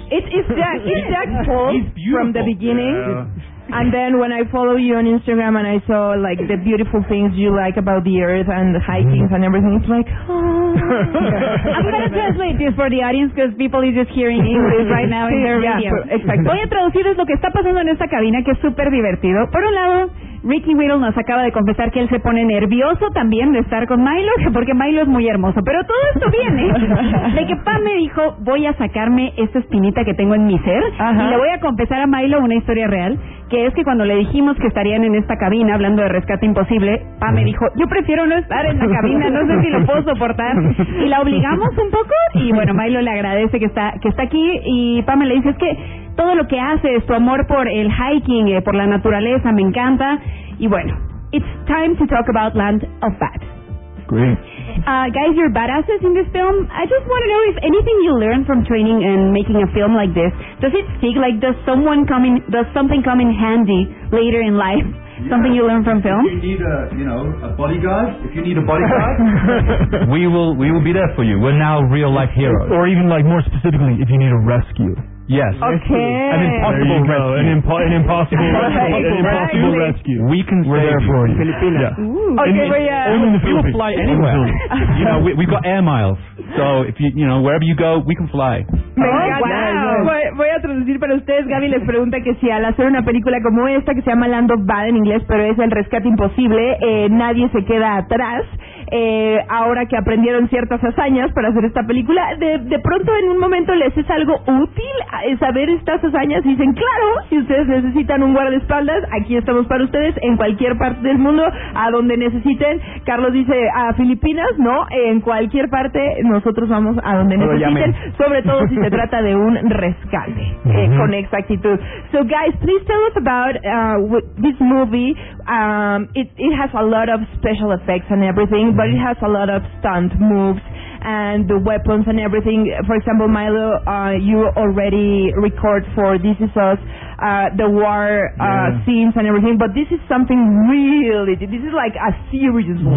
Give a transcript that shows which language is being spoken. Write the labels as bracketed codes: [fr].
[en] It's Jack Paul from the beginning. Yeah. And then when I follow you on Instagram and I saw like the beautiful things you like about the earth and the hiking and everything, it's like, oh. I'm going to translate this for the audience because people are just hearing English right now in their radio. [es] Exacto. Voy a traducirles lo que está pasando en esta cabina, que es súper divertido. Por un lado, Ricky Whittle nos acaba de confesar que él se pone nervioso también de estar con Milo, porque Milo es muy hermoso. Pero todo esto viene de que Pam me dijo, voy a sacarme esta espinita que tengo en mi ser. Ajá. Y le voy a confesar a Milo una historia real, que es que cuando le dijimos que estarían en esta cabina hablando de Rescate Imposible, Pam me dijo, yo prefiero no estar en la cabina, no sé si lo puedo soportar. Y la obligamos un poco, y bueno, Milo le agradece que está aquí, y Pam le dice, es que todo lo que haces, tu amor por el hiking, por la naturaleza, me encanta. Y bueno, [en] it's time to talk about Land of Bad. Great. Guys, you're badasses in this film. I just want to know if anything you learned from training and making a film like this, does it stick? Like, does something come in handy later in life? Yeah. Something you learned from film? If you need a bodyguard, we will be there for you. We're now real life heroes. Or even like more specifically, if you need a rescue. Yes. Okay. An impossible rescue. We can save We're there for you. [es] Filipinas. [en] Yeah. We'll fly anywhere. You know, we've got air miles. So, if you know, wherever you go, we can fly. [es] Voy a traducir para ustedes. Gaby les pregunta que si al hacer una película como esta, que se llama Land of Bad en inglés, pero es El Rescate Imposible, nadie se queda atrás. ahora que aprendieron ciertas hazañas para hacer esta película, de pronto en un momento les es algo útil saber estas hazañas? Y dicen, claro, si ustedes necesitan un guardaespaldas, aquí estamos para ustedes, en cualquier parte del mundo, a donde necesiten. Carlos dice, a Filipinas, ¿no? En cualquier parte, nosotros vamos a donde necesiten, sobre todo si se trata de un rescate, con exactitud. [en] So, guys, please tell us about this movie. It has a lot of special effects and everything, but it has a lot of stunt moves and the weapons and everything. For example, Milo, you already record for This Is Us, the war scenes and everything, but this is something really, this is like a serious war.